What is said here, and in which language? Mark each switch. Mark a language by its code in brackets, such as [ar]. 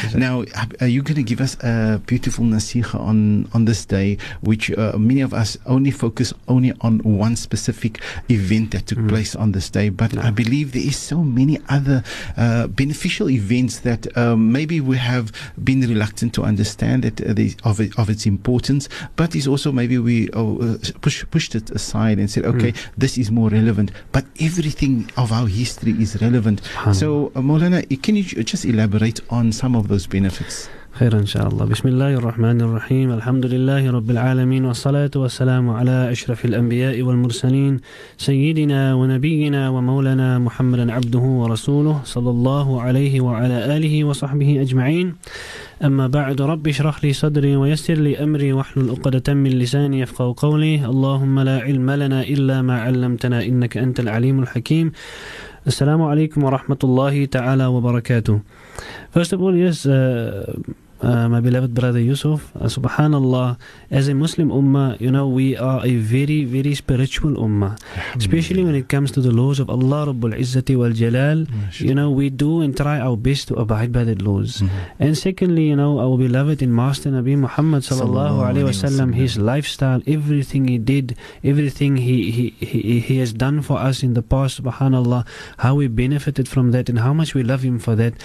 [en] Now, are you going to give us a beautiful nasiha on this day, which many of us only focus only on one specific event that took place on this day, but I believe there is so many other beneficial events that maybe we have been reluctant to understand that of its importance, but is also maybe we pushed it aside and said, okay, this is more relevant, but everything of our history is relevant. So Moulana, can you just elaborate on some of those benefits? [ar] خير إن شاء الله بسم الله الرحمن الرحيم الحمد لله رب العالمين والصلاة والسلام على أشرف الأنبياء والمرسلين سيدنا ونبينا ومولانا محمد عبده ورسوله صلى الله عليه وعلى آله وصحبه أجمعين أما بعد رب اشرح لي صدري ويسر لي أمري واحلل عقدة من لساني يفقهوا قولي اللهم لا علم لنا إلا ما علمتنا إنك أنت العليم الحكيم السلام عليكم ورحمة الله تعالى وبركاته. [en] First of all, yes, my beloved brother Yusuf, subhanallah, as a Muslim ummah, you know, we are a very, very spiritual ummah, especially when it comes to the laws of Allah Rabbul Izzati wal Jalal. You know, we do and try our best to abide by the laws. And secondly, you know, our beloved and master Nabi Muhammad sallallahu alayhi wasallam, his lifestyle, everything he did, everything he has done for us in the past, subhanallah, how we benefited from that and how much we love him for that.